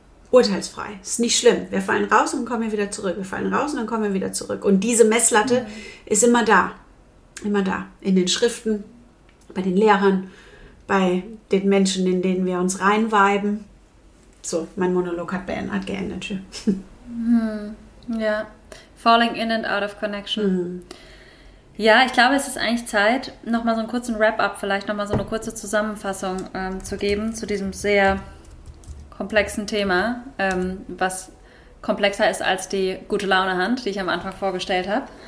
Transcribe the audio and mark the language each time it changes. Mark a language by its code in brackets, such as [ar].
[de] Urteilsfrei. Ist nicht schlimm. Wir fallen raus und kommen wieder zurück. Wir fallen raus und dann kommen wir wieder zurück. Und diese Messlatte ist immer da. Immer da. In den Schriften, bei den Lehrern, bei den Menschen, in denen wir uns reinweiben. So, mein Monolog hat geendet. Ja. [en] Falling in and out of connection. [de] Ja, ich glaube, es ist eigentlich Zeit, nochmal so einen kurzen Wrap-up, vielleicht nochmal so eine kurze Zusammenfassung zu geben zu diesem sehr komplexen Thema, was komplexer ist als die gute Laune Hand, die ich am Anfang vorgestellt habe.